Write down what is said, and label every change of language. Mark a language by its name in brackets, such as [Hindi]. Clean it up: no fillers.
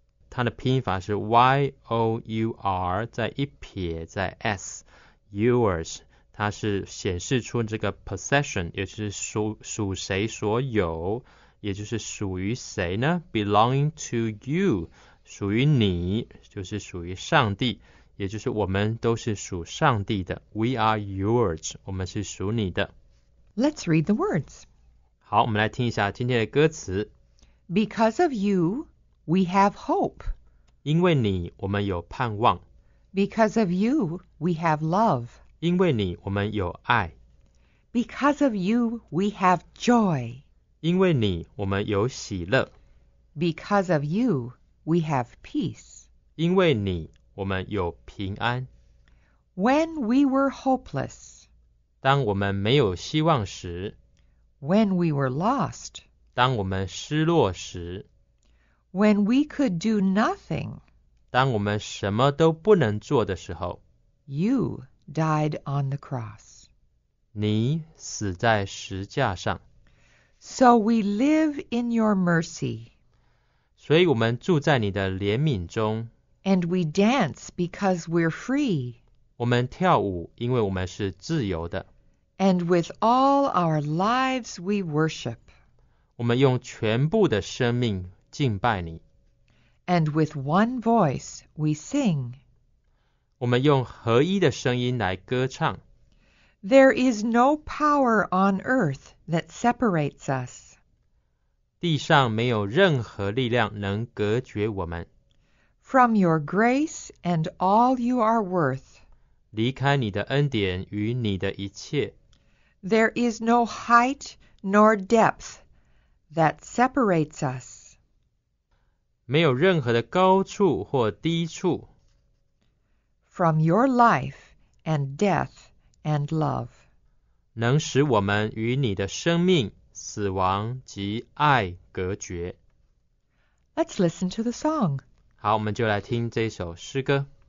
[Chinese] 它的拼法是 Y-O-U-R, 在一撇在 S, yours, 它是显示出这个 possession, 也就是 属谁所有，也就是属于谁呢？ [English] Belonging to you, [Chinese] 属于你，就是属于上帝，也就是我们都是属上帝的。 [English] We are yours, [Chinese] 我们是属你的。 [English] Let's read the words. [Chinese] 好，我们来听一下今天的歌词。 [English] Because of you,We have hope. [Chinese] 因为你，我们有盼望。 [English] Because of you, we have love. [Chinese] 因为你，我们有爱。 [English] Because of you, we have joy. [Chinese] 因为你，我们有喜乐。 [English] Because of you, we have peace. [Chinese] 因为你，我们有平安。 [English] When we were hopeless. [Chinese] 当我们没有希望时。 [English] When we were lost. [Chinese] 当我们失落时。 [English] When we could do nothing, [Chinese] 当我们什么都不能做的时候, [English] you died on the cross. [Chinese] 你死在十架上。 [English] So we live in your mercy. [Chinese] 所以我们住在你的怜悯中。 [English] And we dance because we're free. [Chinese] 我们跳舞因为我们是自由的。 [English] And with all our lives we worship. [Chinese] 我们用全部的生命敬拜你。 [English] And with one voice we sing. [Chinese] 我们用合一的声音来歌唱。 [English] There is no power on earth that separates us. [Chinese] 地上没有任何力量能隔绝我们。 [English] From your grace and all you are worth. [Chinese] 离开你的恩典与你的一切。 [English] There is no height nor depth that separates us. [Chinese] 没有任何的高处或低处。 [English] From your life and death and love. [Chinese] 能使我们与你的生命、死亡及爱隔绝。 [English] Let's listen to the song. [Chinese] 好，我们就来听这首诗歌。